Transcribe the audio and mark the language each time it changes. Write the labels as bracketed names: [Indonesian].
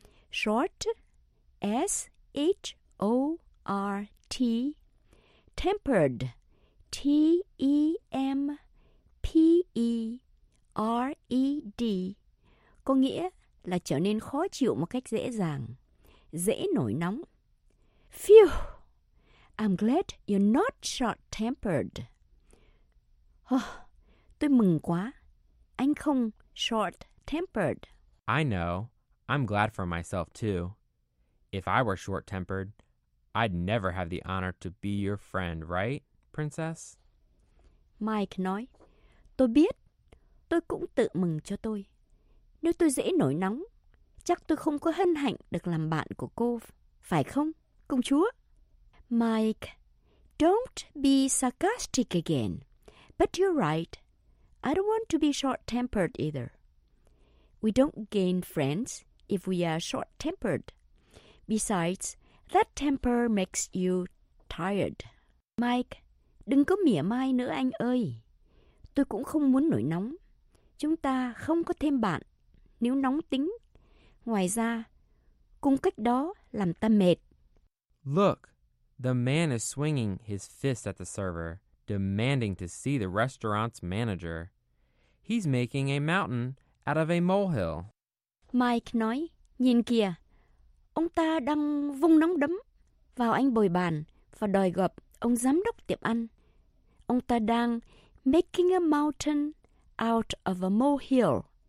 [Vietnamese] Short, S-H-O-R-T, tempered, T-E-M-P-E-R-E-D, có nghĩa là trở nên khó chịu một cách dễ dàng, dễ nổi nóng. [English] Phew, I'm glad you're not short-tempered. [Vietnamese] Tôi mừng quá. Anh không short-tempered. [English] I know. I'm glad for myself, too. If I were short-tempered, I'd never have the honor to be your friend, right, princess? [Vietnamese] Mike nói, tôi biết. Tôi cũng tự mừng cho tôi. Nếu tôi dễ nổi nóng, chắc tôi không có hân hạnh được làm bạn của cô. Phải không, công chúa? [English] Mike, don't be sarcastic again. But you're right. I don't want to be short-tempered either. We don't gain friends if we are short-tempered. Besides, that temper makes you tired. [Vietnamese] Mike, đừng có mỉa mai nữa anh ơi. Tôi cũng không muốn nổi nóng. Chúng ta không có thêm bạn nếu nóng tính. Ngoài ra, cung cách đó làm ta mệt. [English] Look, the man is swinging his fist at the server, demanding to see the restaurant's manager. He's making a mountain out of a molehill. [Vietnamese] Mike nói, nhìn kìa, ông ta đang vung nắm đấm vào anh bồi bàn và đòi gặp ông giám đốc tiệm ăn. Ông ta đang [English] making a mountain out of a molehill.